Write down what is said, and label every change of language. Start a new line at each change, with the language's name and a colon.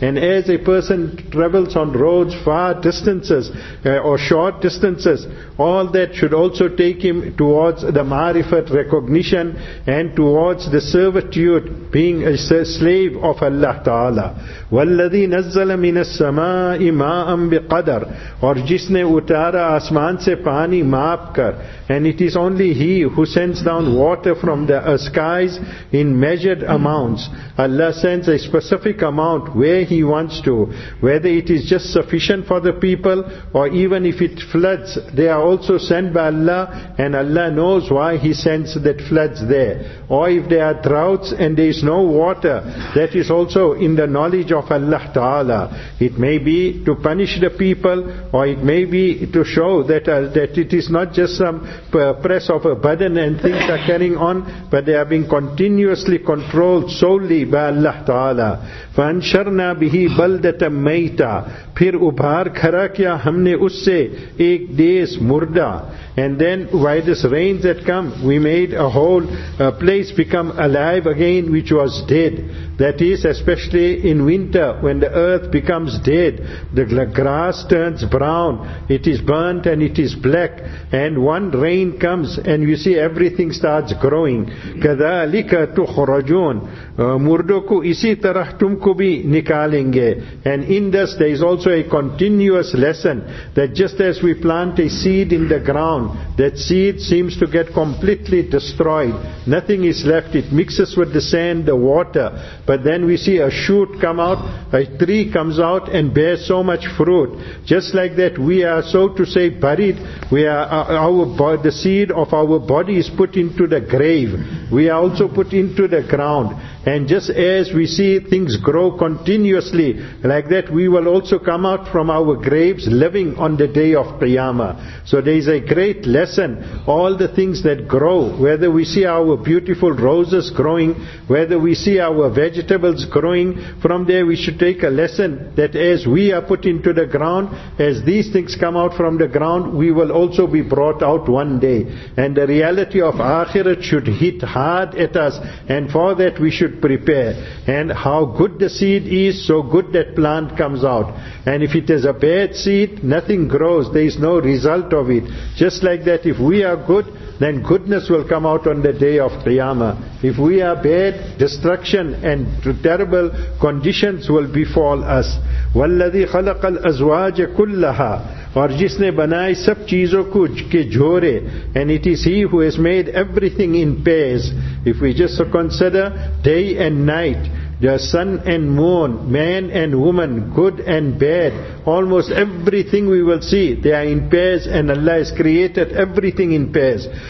English: And as a person travels on roads far distances or short distances, all that should also take him towards the marifat, recognition, and towards the servitude, being a slave of Allah Ta'ala.
Arabic: وَالَّذِي نَزَّلَ مِنَ السَّمَاءِ مَاءً بِقَدَرٍ.
Urdu: اور جس نے اتارا آسمان سے پانی ماپ کر.
English: And it is only he who sends down water from the skies in measured amounts. Allah sends a specific amount where he wants to, whether it is just sufficient for the people or even if it floods, they are also sent by Allah, and Allah knows why he sends that floods there. Or if there are droughts and there is no water, that is also in the knowledge of Allah Ta'ala. It may be to punish the people, or it may be to show that it is not just some press of a button and things are carrying on, but they are being continuously controlled solely by Allah Ta'ala.
Arabic: فَانْشَرْنَا بِهِ بَلْدَةً مَيْتَا.
Urdu: پھر اُبھار کھرا کیا ہم نے اس سے ایک دیس مردا.
English: And then by this rains that come, we made a whole place become alive again which was dead. That is, especially in winter when the earth becomes dead, the grass turns brown, it is burnt and it is black, and one rain comes and you see everything starts growing.
Arabic: كَذَلِكَ تُخْرَجُونَ.
Urdu: मुर्दों को इसी तरह तुमको भी निकालेंगे.
English: And in this there is also a continuous lesson that just as we plant a seed in the ground that seed seems to get completely destroyed, nothing is left, it mixes with the sand the water, but then we see a shoot come out, a tree comes out and bear so much fruit. Just like that we are so to say buried, we are our the seed of our body is put into the grave, we are also put into the ground. And just as we see things grow continuously, like that we will also come out from our graves living on the day of Qiyamah. So there is a great lesson. All the things that grow, whether we see our beautiful roses growing, whether we see our vegetables growing, from there we should take a lesson that as we are put into the ground, as these things come out from the ground, we will also be brought out one day. And the reality of Akhirat should hit hard at us, and for that we should prepare. And how good the seed is, so good that plant comes out. And if it is a bad seed, nothing grows, there is no result of it. Just like that, if we are good, then goodness will come out on the day of Qiyamah. If we are bad, destruction and terrible conditions will befall us.
Arabic: وَالَّذِي خَلَقَ الْأَزْوَاجَ كُلَّهَا
Urdu: और जिसने बनाए सब चीजों को के जोरे,
English: And it is he who has made everything in pairs. If we just consider day and night, the sun and moon, man and woman, good and bad, almost everything we will see they are in pairs, and Allah has created everything in pairs.